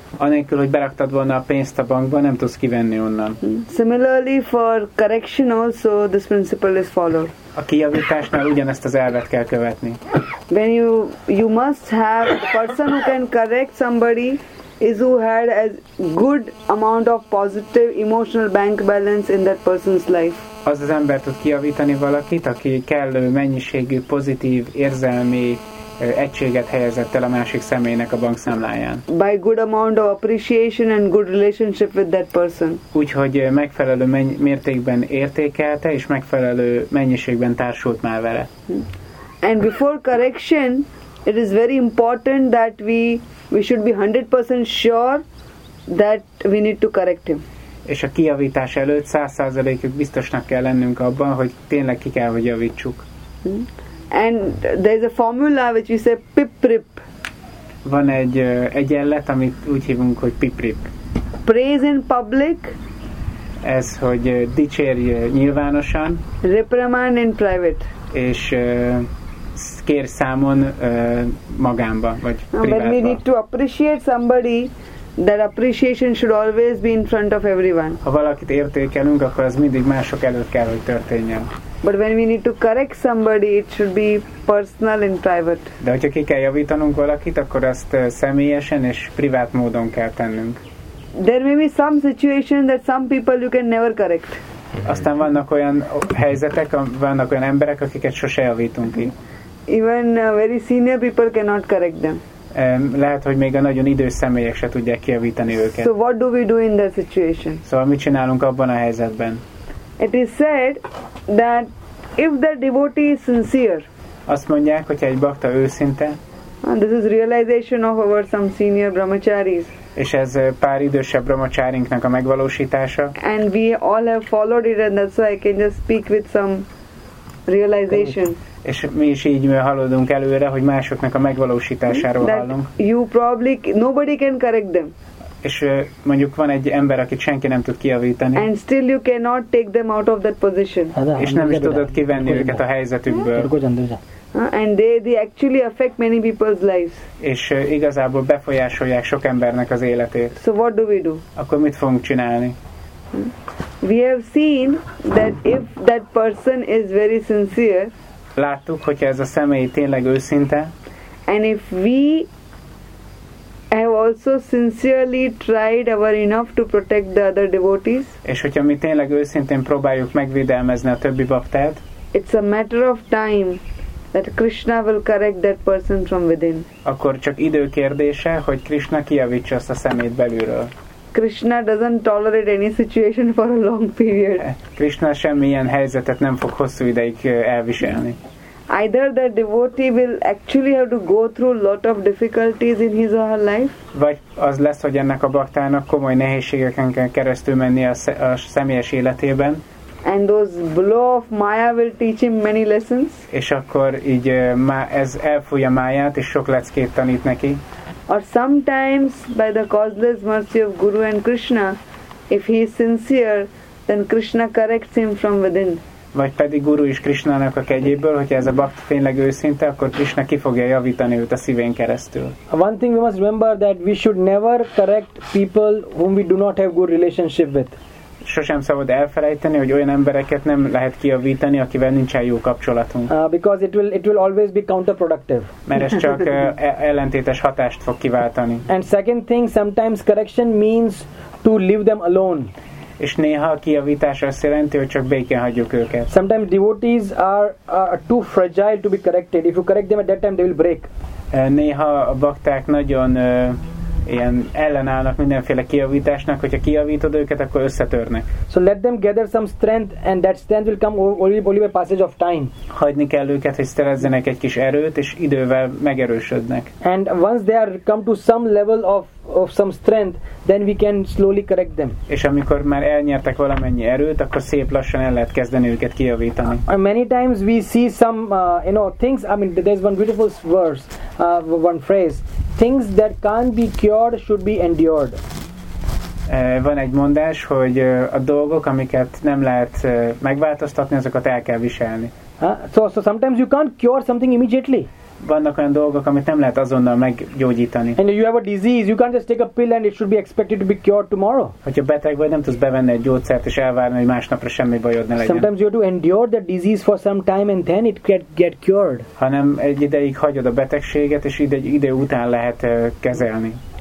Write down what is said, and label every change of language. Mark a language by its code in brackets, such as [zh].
[hu] Anélkül, hogy beraktad volna a pénzt a bankba, nem tudsz kivenni onnan. [en] Similarly for correction also this principle is followed. [hu] A kijavításnál ugyanezt az elvet kell követni. [en] When you must have a person who can correct somebody is who had a good amount of positive emotional bank balance in that person's life. [hu] Az az ember tud kijavítani valakit, aki kellő mennyiségű pozitív érzelmi egységet helyezett el a másik személynek a bankszámláján. [en] By good amount of appreciation and good relationship with that person. [hu] Úgyhogy megfelelő mértékben értékelte és megfelelő mennyiségben társult már vele. [en] And before correction, it is very important that we should be 100% sure that we need to correct him. [hu] És a kijavítás előtt 100%-ig biztosnak kell lennünk abban, hogy tényleg ki kell, hogy javítsuk. [en] And there is a formula which we say piprip. [hu] Van egy egyenlet, amit úgy hívunk, hogy piprip. [en] Praise in public. [hu] Ez, hogy dicsérj nyilvánosan. [en] Reprimand in private. [hu] És kér számon magánba, vagy privátba. [en] When we need to appreciate somebody, that appreciation should always be in front of everyone. [hu] Ha valakit értékelünk, akkor az mindig mások előtt kell, hogy történjen. [en] But when we need to correct somebody, it should be personal and private. [hu] De hogyha ki kell javítanunk valakit, akkor azt személyesen és privát módon kell tennünk. [en] There may be some situation that some people you can never correct. [hu] Aztán vannak olyan helyzetek, vannak olyan emberek, akiket sose javítunk ki. [en] Even very senior people cannot correct them. [hu] Lehet, hogy még a nagyon idős személyek se tudják kijavítani őket. [en] So what do we do in that situation? [hu] Szóval mit csinálunk abban a helyzetben? [en] It is said that if the devotee is sincere. [hu] Azt mondják, hogyha egy bhakta őszinte. [en] This is realization of our some senior brahmacharis. [hu] És ez pár idősebb brahmacharinknak a megvalósítása. [en] And we all have followed it, and that's why I can just speak with some realization. [hu] És mi is így haladunk előre, hogy másoknak a megvalósításáról [en] that [hu] hallunk. [en] You probably nobody can correct them. [hu] És mondjuk van egy ember, akit senki nem tud kijavítani. [en] And still you cannot take them out of that position. [hu] És nem is tudod kivenni őket a helyzetükből. [en] And they actually affect many people's lives. [hu] És igazából befolyásolják sok embernek az életét. [en] So what do we do? [hu] Akkor mit fogunk csinálni? [en] We have seen that if that person is very sincere. [hu] Láttuk, hogyha ez a személy tényleg őszinte. [en] And if we have also sincerely tried our enough to protect the other devotees. [hu] És hogyha mi tényleg őszintén próbáljuk megvédelmezni a többi baktát. [en] It's a matter of time that Krishna will correct that person from within. [hu] Akkor csak idő kérdése, hogy Krishna kijavítsa azt a szemét belülről. [en] Krishna doesn't tolerate any situation for a long period. [hu] Krishna semmilyen helyzetet nem fog hosszú ideig elviselni. [en] Either the devotee will actually have to go through lot of difficulties in his or her life. [hu] Vagy az lesz, hogy ennek a baktának komoly nehézségeken kell keresztül menni a személyes életében. [en] And those blow of Maya will teach him many lessons. [hu] És akkor így ez elfújja Máját és sok leckét tanít neki. [en] Or sometimes by the causeless mercy of Guru and Krishna, if he is sincere, then Krishna corrects him from within. [hu] Vagy pedig Guru is Krishnának a kegyéből, hogyha ez a bhakta tényleg őszinte, akkor Krishna ki fogja javítani őt a szívén keresztül. [en] One thing we must remember that we should never correct people whom we do not have good relationship with. [hu] Sosem szabad elfelejteni, hogy olyan embereket nem lehet kijavítani, akivel nincsen jó kapcsolatunk. [en] Because it will always be counterproductive. [hu] Mert ez csak ellentétes hatást fog kiváltani. [en] And second thing, sometimes correction means to leave them alone. [hu] És néha a kijavítás azt jelenti, hogy csak békén hagyjuk őket. [en] Sometimes devotees are too fragile to be corrected. If you correct them at that time, they will break. [hu] Néha a bakták nagyon ilyen ellenállnak mindenféle kijavításnak, hogyha kijavítod őket, akkor összetörnek. [en] So let them gather some strength, and that strength will come only by passage of time. [hu] Hagyni kell őket, hogy szerezzenek egy kis erőt, és idővel megerősödnek. [en] And once they are come to some level of some strength, then we can slowly correct them. [hu] És amikor már elnyertek valamennyi erőt, akkor szép lassan el lehet kezdeni őket kijavítani. [en] Many times we see some things, I mean there's one beautiful verse, one phrase. Things that can't be cured should be endured. [hu] Van egy mondás, hogy a dolgok, amiket nem lehet megváltoztatni, azokat el kell viselni. [en] So sometimes you can't cure something immediately. [hu] vannak olyan dolgok, amit nem lehet azonnal meggyógyítani. [en] And you have a disease, you can't just take a pill and it should be expected to be cured tomorrow. [hu] Hogyha beteg vagy, nem tudsz bevenni egy gyógyszert és elvárni, hogy másnapra semmi bajod ne legyen. [en] Sometimes you have to endure the disease for some time and then it can get cured. [hu] Hanem egy ideig hagyod a betegséget és ide után lehet kezelni.